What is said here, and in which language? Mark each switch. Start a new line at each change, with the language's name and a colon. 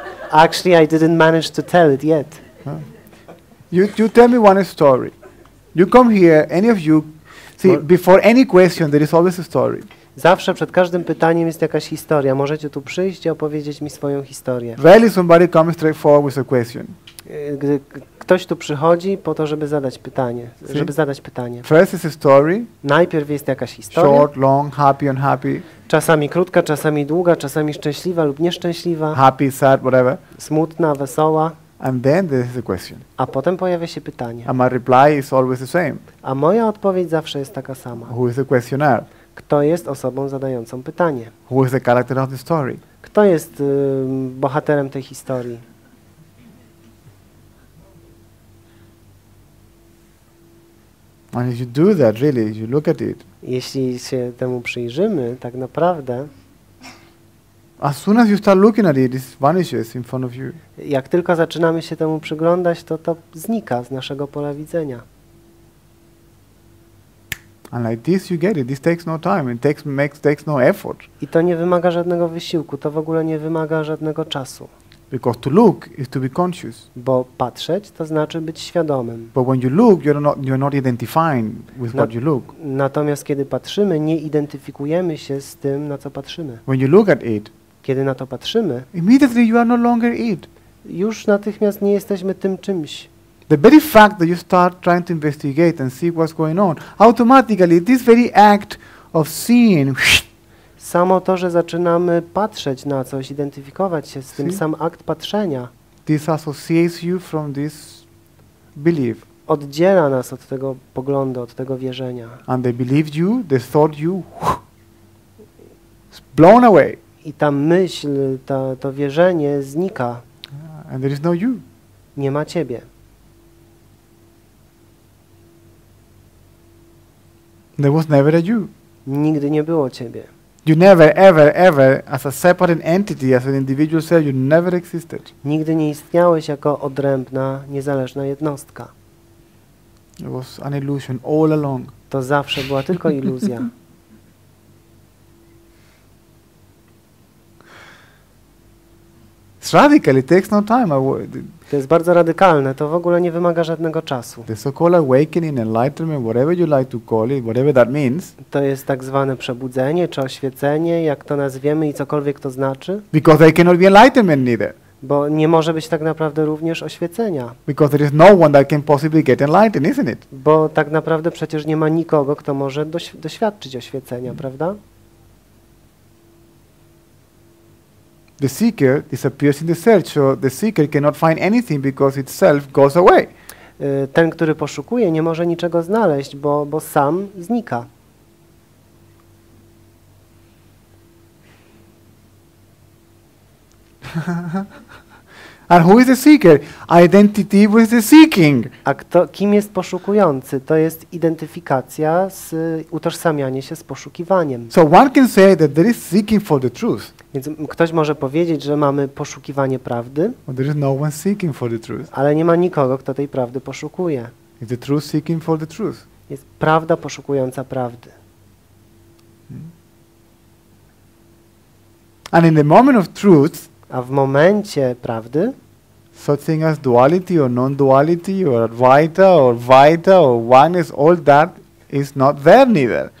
English: Actually, I didn't manage to tell it yet. You tell me one story. You come here, any of you, see, before any question, there is always a story.
Polish: Zawsze przed każdym pytaniem jest jakaś historia. Możecie tu przyjść i opowiedzieć mi swoją historię.
English: Rarely somebody comes straight forward with a question.
Polish: Ktoś tu przychodzi po to, żeby zadać pytanie.
English: See?
Polish: Żeby zadać pytanie.
English: First is a story.
Polish: Najpierw jest jakaś historia.
English: Short, long, happy, unhappy.
Polish: czasami krótka, czasami długa, czasami szczęśliwa lub nieszczęśliwa.
English: Happy, sad, whatever.
Polish: Smutna, wesoła.
English: And then there is a question.
Polish: A potem pojawia się pytanie.
English: And my reply is always the same.
Polish: A moja odpowiedź zawsze jest taka sama.
English: Who is the questioner?
Polish: Kto jest osobą zadającą pytanie?
English: Who is the character of the story?
Polish: Kto jest bohaterem tej historii?
English: And if you do that, really, if you look at it.
Polish: Jeśli się temu przyjrzymy, tak naprawdę.
English: As soon as you start looking at it, it vanishes in front of you.
Polish: Jak tylko zaczynamy się temu przyglądać, to znika z naszego pola widzenia.
English: And like this, you get it. This takes no time. It takes no effort.
Polish: I to nie wymaga żadnego wysiłku. To w ogóle nie wymaga żadnego czasu.
English: Because to look is to be conscious.
Polish: Bo patrzeć to znaczy być świadomym.
English: But when you look, you're not identifying with what you look.
Polish: Natomiast kiedy patrzymy, nie identyfikujemy się z tym, na co patrzymy.
English: When you look at it,
Polish: kiedy na to patrzymy,
English: immediately you are no longer it.
Polish: Już natychmiast nie jesteśmy tym czymś.
English: The very fact that you start trying to investigate and see what's going on, automatically this very act of seeing.
Polish: Samo to, że zaczynamy patrzeć na coś, identyfikować się z tym, sam akt patrzenia.
English: This associates you from this belief.
Polish: Oddziela nas od tego poglądu, od tego wierzenia.
English: And they believed you, they thought you. It's blown away.
Polish: I ta myśl, to wierzenie znika.
English: Yeah, and there is no you.
Polish: Nie ma ciebie.
English: There was never a you.
Polish: Nigdy nie było ciebie.
English: You never, ever, ever, as a separate entity, as an individual cell, you never existed.
Polish: Nigdy nie istniałeś jako odrębna, niezależna jednostka.
English: It was an illusion all along.
Polish: To zawsze była tylko iluzja.
English: It's radical, it takes no time.
Polish: To jest bardzo radykalne, to w ogóle nie wymaga żadnego czasu.
English: The so-called awakening, enlightenment, whatever you like to call it, whatever that means.
Polish: To jest tak zwane przebudzenie czy oświecenie, jak to nazwiemy i cokolwiek to znaczy.
English: Because there cannot be enlightenment neither.
Polish: Bo nie może być tak naprawdę również oświecenia.
English: Because there is no one that can possibly get enlightened, isn't it?
Polish: Bo tak naprawdę przecież nie ma nikogo, kto może doświadczyć oświecenia, prawda?
English: The seeker disappears in the search, so the seeker cannot find anything because itself goes away.
Polish: Ten, który poszukuje, nie może niczego znaleźć, bo sam znika.
English: And who is the seeker? Identity with the seeking.
Polish: A kim jest poszukujący? To jest identyfikacja z utożsamianie się z poszukiwaniem.
English: So one can say that there is seeking for the truth.
Polish: Więc ktoś może powiedzieć, że mamy poszukiwanie prawdy.
English: But there is no one seeking for the truth.
Polish: Ale nie ma nikogo, kto tej prawdy poszukuje.
English: Is the truth seeking for the truth?
Polish: Jest prawda poszukująca prawdy. Hmm.
English: And in the moment of truth.
Polish: A w momencie prawdy.
English: Such thing as duality or non-duality or advaita or vaita or oneness, all that is not there neither.